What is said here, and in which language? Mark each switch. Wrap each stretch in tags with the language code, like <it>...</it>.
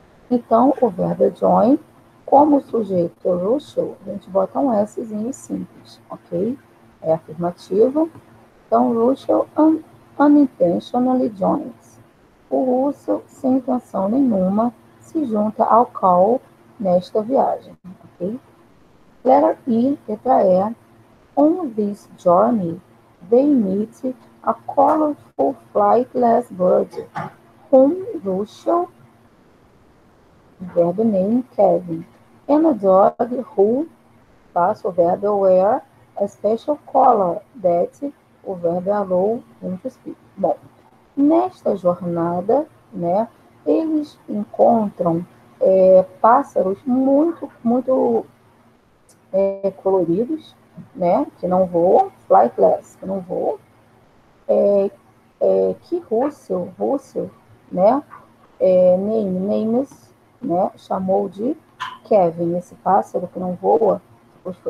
<pt>Então, o verbo join, como sujeito Russell, a gente bota um Szinho simples, ok? É afirmativo. Então, Russell</pt> <en>unintentionally joins.</en> <pt>O Russell, sem intenção nenhuma, se junta ao call nesta viagem, ok?</pt> <en>Letter I,</en> <pt>letra E.</pt> <en>On this journey, they meet a colorful flightless bird, whom Russell, verb name Kevin, and a dog who,</en> <pt>passo o verbo</pt> <en>wear, a special collar that,</en> <pt>o verbo</pt> <en>allow him to speak.</en> <pt>Bom, nesta jornada, né, eles encontram pássaros muito, muito coloridos, né, que não voam, flightless, que não voam, que Russell, né, names, né, chamou de Kevin, esse pássaro que não voa, o</pt>